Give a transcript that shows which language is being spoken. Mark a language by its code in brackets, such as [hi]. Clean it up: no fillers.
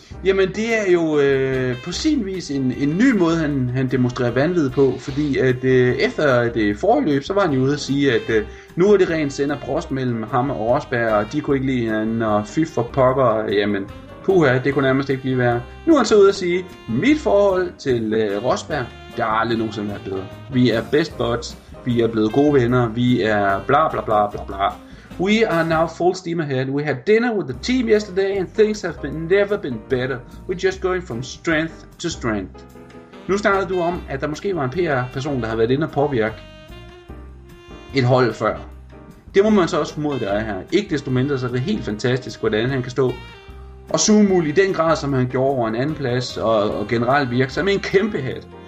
[da] Jamen, det er jo på sin vis en ny måde, han demonstrerer vanvid på, fordi at efter det forløb, så var han jo ude at sige, at nu er det rent sender Prost mellem ham og Rosberg, og de kunne ikke lide hinanden, og fy for pokker, jamen, puha, det kunne nærmest ikke blive værre. Nu er han så ude at sige, mit forhold til Rosberg, der har aldrig nogensinde været bedre. Vi er [en] best buds, [da] vi er blevet gode venner, vi er bla bla bla bla bla. [en] We are now full steam ahead. We had dinner with the team yesterday, and things have never been better. We're just going from strength to strength. [da] Nu snakkede du om, at der måske var en PR-person, der har været inde og påvirke et hold før. Det må man så også formode, det er her. Ikke desto mindre, så er det helt fantastisk, hvordan han kan stå og suge mul i den grad, som han gjorde over en anden plads, og generelt virke som en kæmpe hat.